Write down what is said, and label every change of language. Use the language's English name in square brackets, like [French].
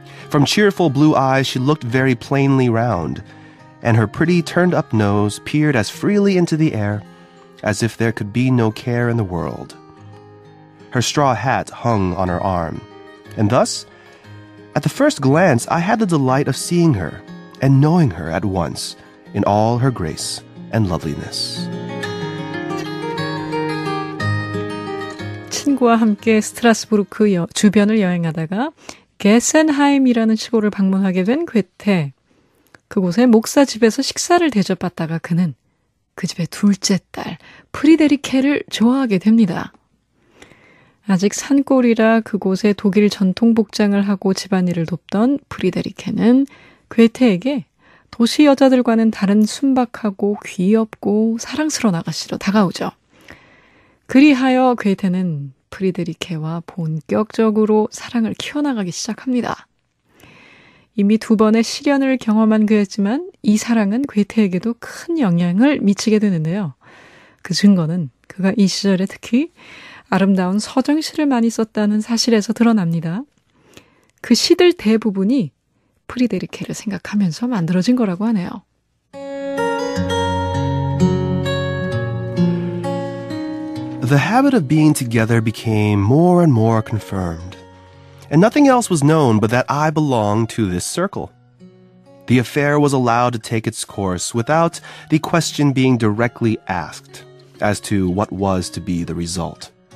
[English] From cheerful blue eyes, she looked very plainly round, and her pretty turned-up nose peered as freely into the air as if there could be no care in the world. Her straw hat hung on her arm, and thus, at the first glance, I had the delight of seeing her and knowing her at once in all her grace and loveliness. [Korean] 친구와 함께 스트라스부르크 주변을 여행하다가 게센하임이라는 시골을 방문하게 된 괴테. 그곳의 목사 집에서 식사를 대접받다가 그는 그 집의 둘째 딸 프리데리케를 좋아하게 됩니다. 아직 산골이라 그곳에 독일 전통 복장을 하고 집안일을 돕던 프리데리케는 괴테에게 도시 여자들과는 다른 순박하고 귀엽고 사랑스러운 아가씨로 다가오죠. 그리하여 괴테는 프리데리케와 본격적으로 사랑을 키워나가기 시작합니다. 이미 두 번의 실연을 경험한 그였지만 이 사랑은 괴테에게도 큰 영향을 미치게 되는데요. 그 증거는 그가 이 시절에 특히 아름다운 서정시를 많이 썼다는 사실에서 드러납니다. 그 시들 대부분이 프리데리케를 생각하면서 만들어진 거라고 하네요. [English] The habit of being together became more and more confirmed, and nothing else was known but that I belonged to this circle. The affair was allowed to take its course without the question being directly asked as to what was to be the result.